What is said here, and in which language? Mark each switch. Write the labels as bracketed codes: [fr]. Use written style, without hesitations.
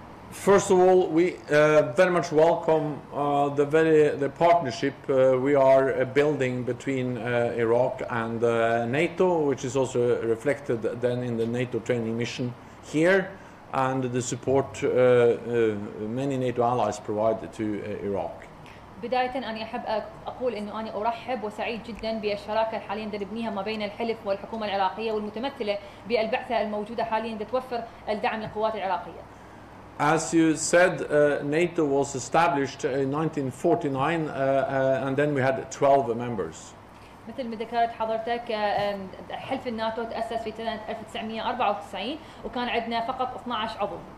[en] First of all, we very much welcome the partnership we are building between Iraq and NATO, which is also reflected then in the NATO training mission here and the support many NATO allies provide to Iraq. [ar] بداية أنا أحب أقول إنه أنا أرحب وسعيد جدا بالشراكة الحالية اللي بنيها ما بين الحلف والحكومة العراقية والمتمثلة بالبعثة الموجودة حاليا لتوفر الدعم للقوات العراقية. [en] As you said, NATO was established in 1949 and then we had 12 members. [ar] مثل ما ذكرت حضرتك حلف الناتو تأسس في 1994 وكان عندنا فقط 12 عضو.